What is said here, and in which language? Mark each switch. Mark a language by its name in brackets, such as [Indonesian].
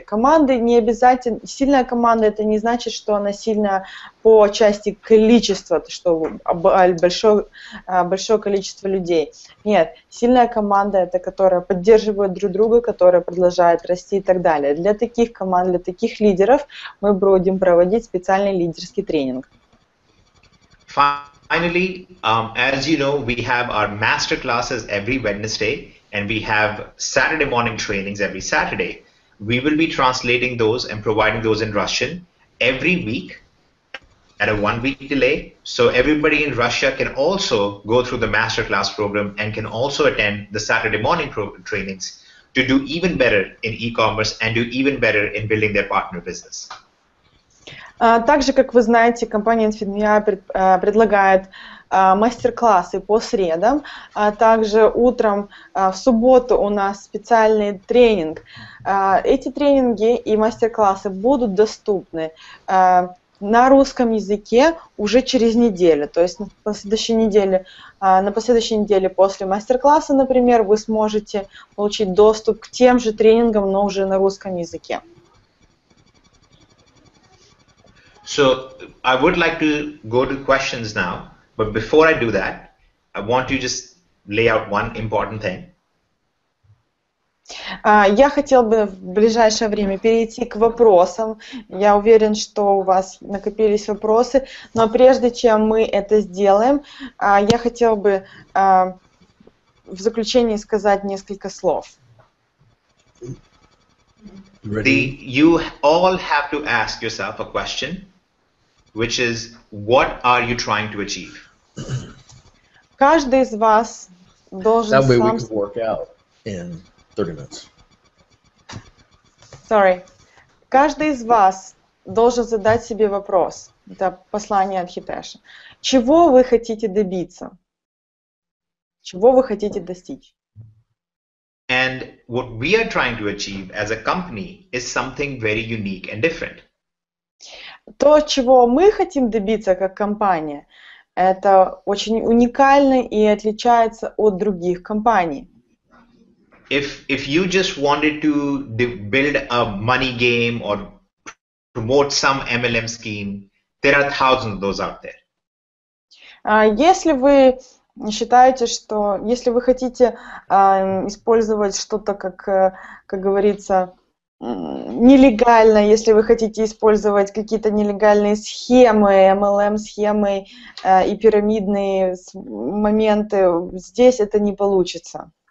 [Russian] Команды не обязательно... Сильная команда – это не значит, что она сильная по части количества, что большое количество людей. Нет, сильная команда – это которая поддерживает друг друга, которая продолжает расти и так далее. Для таких команд, для таких лидеров мы будем проводить специальный лидерский тренинг. [English] Finally, as you know, we have our master classes every Wednesday, and we have Saturday morning trainings every Saturday. We will be translating those and providing those in Russian every week at a 1 week delay, so everybody in Russia can also go through the master class program and can also attend the Saturday morning trainings to do even better in e-commerce and do even better in building their partner business. [Russian] Также, как вы знаете, компания InfiniMia предлагает мастер-классы по средам, а также утром в субботу у нас специальный тренинг. Эти тренинги и мастер-классы будут доступны на русском языке уже через неделю, то есть на последующей неделе после мастер-класса, например, вы сможете получить доступ к тем же тренингам, но уже на русском языке. [English] So I would like to go to questions now, but before I do that, I want to just lay out one important thing. [Russian] Я хотел бы в ближайшее время перейти к вопросам. Я уверен, что у вас накопились вопросы, но прежде чем мы это сделаем, я хотел бы в заключении сказать несколько слов. [English] Ready? You all have to ask yourself a question, which is, what are you trying to achieve? [Russian] Каждый из вас должен сам... [English] That way we can work out in... 30 minutes. Sorry. [Russian] Каждый из вас должен задать себе вопрос. Это послание от Хитеша. Чего вы хотите добиться? Чего вы хотите достичь? [English] And what we are trying to achieve as a company is something very unique and different. [Russian] То, чего мы хотим добиться как компания, это очень уникально и отличается от других компаний. [English] If you just wanted to build a money game or promote some MLM scheme, there are thousands of those out there. [Russian] Если вы считаете, что если вы хотите использовать что-то как говорится нелегально, если вы хотите использовать какие-то нелегальные схемы, MLM схемы и пирамидные моменты, здесь это не получится.